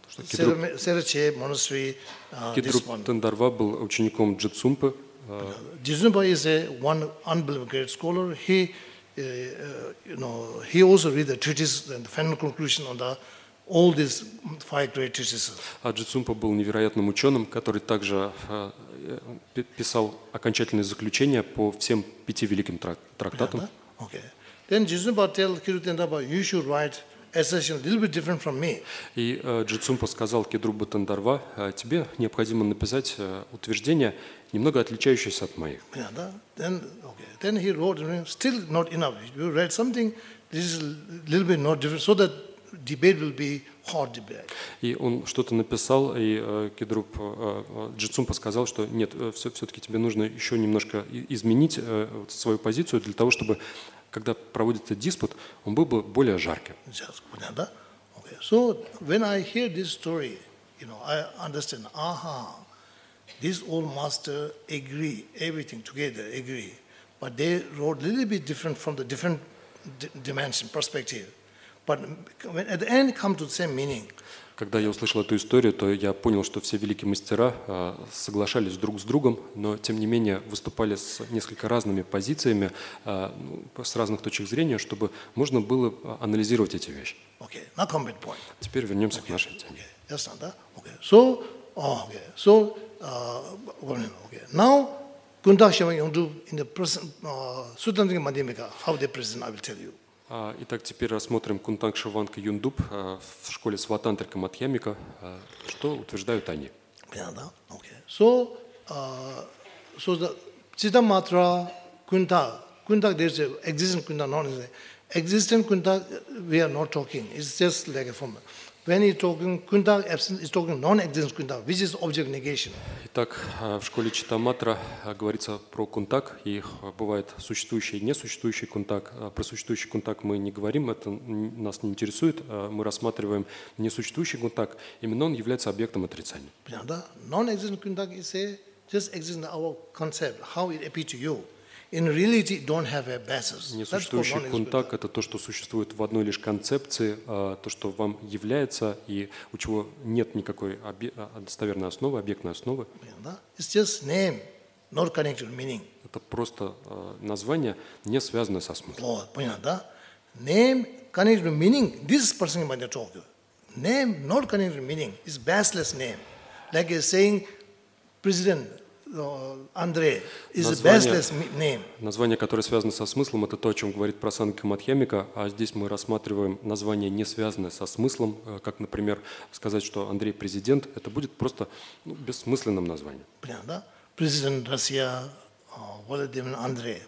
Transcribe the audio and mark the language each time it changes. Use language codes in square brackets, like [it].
[ru] Кидру Тендарва был учеником Джицумпы. [en] Джицумпа is a one unbelievable great scholar. He, you know, he also read the treatise and the final conclusion on the all these five great treatises. [ru] А Джицумпа был невероятным ученым, который также писал окончательное заключение по всем пяти великим трактатам. [en] Okay. Then Джицумпа tell Кидру Тендарва, you should write. Assertion a little bit different from me. [ru] И Джицумпа сказал Кидруба Тендарва, тебе необходимо написать утверждение, немного отличающееся от моих. [en] Yeah, да? Then, okay. Then he wrote, still not enough. You write something, this is a little bit not different, so that debate will be hard debate. [ru] И он что-то написал, и Джицумпа сказал, что нет, все-таки тебе нужно еще немножко изменить свою позицию для того, чтобы когда проводится диспут, он был бы более жарким. [en] Okay. So when I hear this story, you know, I understand, aha, these old masters agree, everything together agree, but they wrote a little bit different from the different dimension, perspective. But when at the end come to the same meaning. [ru] Когда я услышал эту историю, то я понял, что все великие мастера соглашались друг с другом, но тем не менее выступали с несколько разными позициями, с разных точек зрения, чтобы можно было анализировать эти вещи. [en] Okay, now come back point. [ru] Теперь вернемся к нашей теме. Okay, ясно, да? [en] Okay. So, okay. So, okay. Now, Gundakshama Yongdu in the present Sutantika Madhyamika, how they present, I will tell you. [ru] Итак, теперь рассмотрим Кунтакша Ванка Юндуб в школе Сватантрика Мадхьямика. Что утверждают они? Понятно, окей. [en] So, so the Читаматра Кунтак, Кунтак, there's an existing Кунтак, not existing. Existing Кунтак, we are not talking. It's just like a form. When he's talking, Кунтак absent, he's talking non-existent Кунтак, which is object negation. [ru] Итак, в школе Читаматра говорится про Кунтак, и бывает существующий и несуществующий Кунтак. Про существующий Кунтак мы не говорим, это нас не интересует. Мы рассматриваем несуществующий Кунтак, именно он является объектом отрицания. Понятно, да? [en] Non-existent Кунтак is a, just existent our concept, how it appears to you. In reality, don't have a basis. [ru] Несуществующий кунтак – это то, что существует в одной лишь концепции, то, что вам является и у чего нет никакой достоверной основы, объектной основы. [en] It's just name, not connected meaning. [ru] Это просто название, не связанное со смыслом. Вот, понятно, да? [en] Name, connected meaning. This person might be talking. Name, not connected meaning. It's baseless name. Like saying, president. Андрей, is a baseless name. [ru] Название, которое связано со смыслом, это то, о чем говорит Прасангика Мадхьямика, а здесь мы рассматриваем название, не связанное со смыслом, как, например, сказать, что Андрей президент, это будет просто ну, бессмысленным названием. Понятно, да? Президент России, Владимир Андрей.